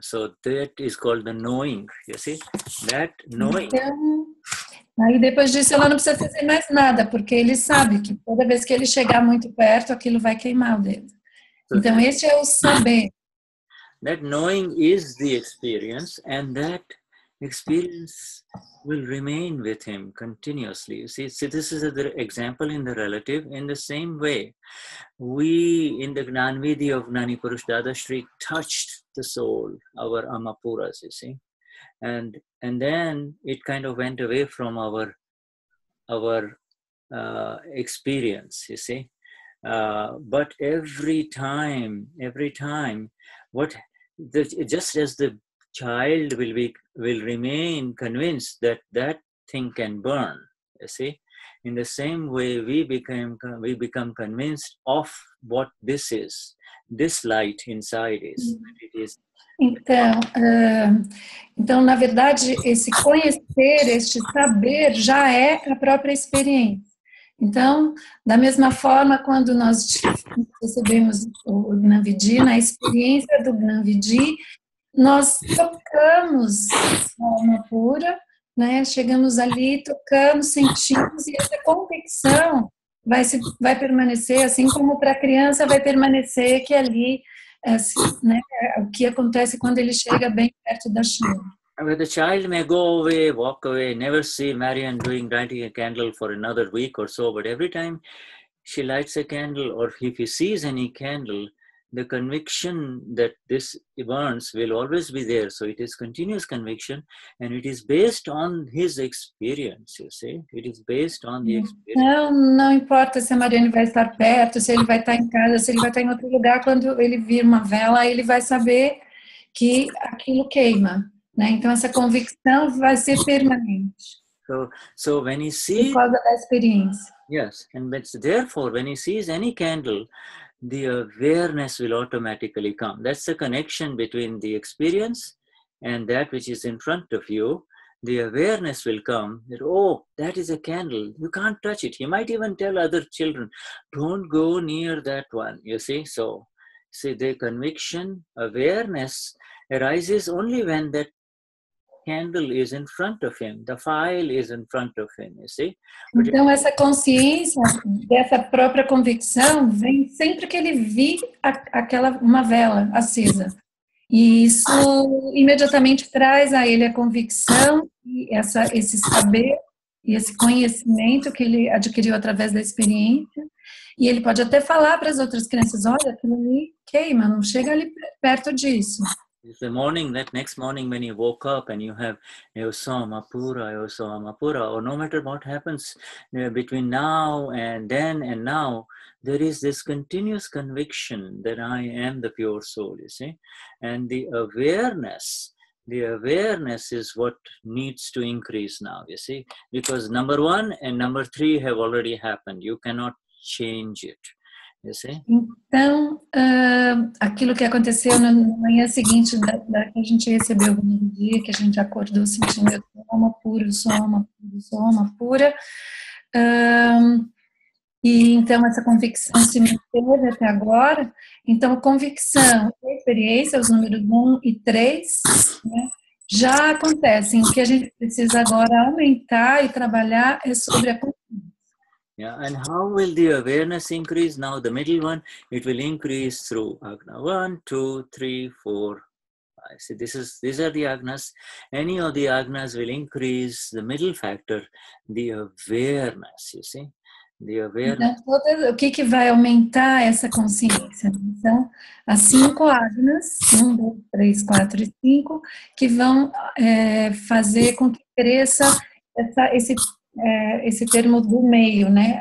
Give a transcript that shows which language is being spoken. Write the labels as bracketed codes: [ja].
[en] So that is called the knowing. You see? That knowing. [pt] Então, aí depois disso ela não precisa fazer mais nada, porque ele sabe que toda vez que ele chegar muito perto, aquilo vai queimar o dedo. Então esse é o saber. [en] That knowing is the experience, and that experience will remain with him continuously. You see, this is the example in the relative. In the same way, we in the Gnan Vidhi of Gnani Purush Dadashri touched the soul, our Amapuras, you see. And then it kind of went away from our experience, you see. But every time, just as the child will remain convinced that thing can burn, you see. In the same way, we become convinced of what this is, this light inside is. It is. [pt] Então, na verdade, esse conhecer, este saber, já é a própria experiência. Então, da mesma forma, quando nós recebemos o Gnan Vidhi, na experiência do Gnan Vidhi, nós tocamos a alma pura, né? Chegamos ali, tocamos, sentimos, e essa convicção vai permanecer, assim como para a criança vai permanecer que ali, assim, né? O que acontece quando ele chega bem perto da chama. [en] But the child may go away, walk away, never see Marianne doing lighting a candle for another week or so, but every time she lights a candle, or if he sees any candle, the conviction that this burns will always be there. So it is continuous conviction, and it is based on his experience, you see. It is based on the experience. [pt] Não importa se a Marianne vai estar perto, se ele vai estar em casa, se ele vai estar em outro lugar, quando ele vir uma vela, ele vai saber que aquilo queima, né? Então essa convicção vai ser permanente. [en] So when he sees... [pt] Por causa da experiência. [en] Yes, and therefore, when he sees any candle, the awareness will automatically come. That's the connection between the experience and that which is in front of you. The awareness will come that, oh, that is a candle. You can't touch it. He might even tell other children, don't go near that one, you see. So, see, the conviction, awareness arises only when that candle is in front of him. The file is in front of him, you see. [pt] Então, essa consciência dessa própria convicção vem sempre que ele vir aquela uma vela acesa. E isso imediatamente traz a ele a convicção e esse saber E esse conhecimento que ele adquiriu através da experiência. E ele pode até falar para as outras crianças, olha, aquilo ali queima, não chega ali perto disso. [en] The morning, that next morning when you woke up and you have [pt] eu sou amapura, [en] or no matter what happens, you know, between now and then and now, there is this continuous conviction that I am the pure soul, you see? And the awareness is what needs to increase now, you see? Because number one and number three have already happened. You cannot change it. [pt] Então, aquilo que aconteceu na manhã seguinte da que a gente recebeu o dia, que a gente acordou sentindo eu sou alma pura, e então essa convicção se manteve até agora, então a convicção e a experiência, os números 1 e 3, né, já acontecem. O que a gente precisa agora aumentar e trabalhar é sobre a consciência. [en] Yeah, and how will the awareness increase now? The middle one, it will increase through Agna. 1, 2, 3, 4. I see. These are the Agnas. Any of the Agnas will increase the middle factor, the awareness. You see, the awareness. [pt] O que vai aumentar essa consciência? Então, as 5 Agnas, 1, 2, 3, 4 e 5, que vão fazer com que cresça esse termo do meio, né?